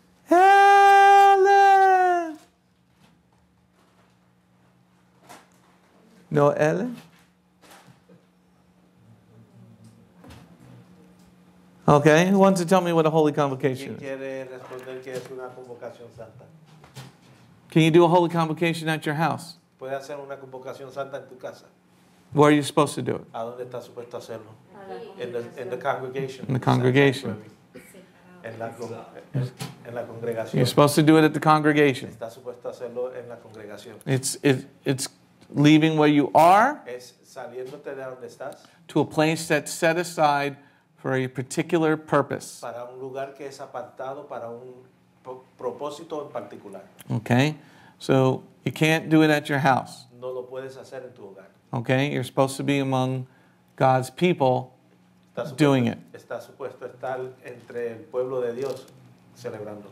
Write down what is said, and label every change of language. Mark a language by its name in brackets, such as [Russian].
[English] Ellen! No, Ellen? Okay, who wants to tell me what a holy convocation is? [Spanish] ¿Quién quiere responder que es una convocación santa? [English] Can you do a holy convocation at your house? [Spanish] ¿Puede hacer una convocación santa en tu casa? [English] Where are you supposed to do it? [Spanish] ¿A dónde estás supuesto a hacerlo? [English] In the congregation. In the congregation. [Spanish] En la congregación. [English] You're supposed to do it at the congregation. [Spanish] Está supuesto hacerlo en la congregación. [English] It's leaving where you are, [Spanish] es saliéndote de donde estás, [English] to a place that's set aside for a particular purpose. [Spanish] Para un lugar que es apartado para un propósito en particular. [English] Okay, so you can't do it at your house. [Spanish] No lo puedes hacer en tu hogar. [English] Okay, you're supposed to be among God's people. Doing it. [Spanish] Está supuesto estar entre el pueblo de Dios celebrando.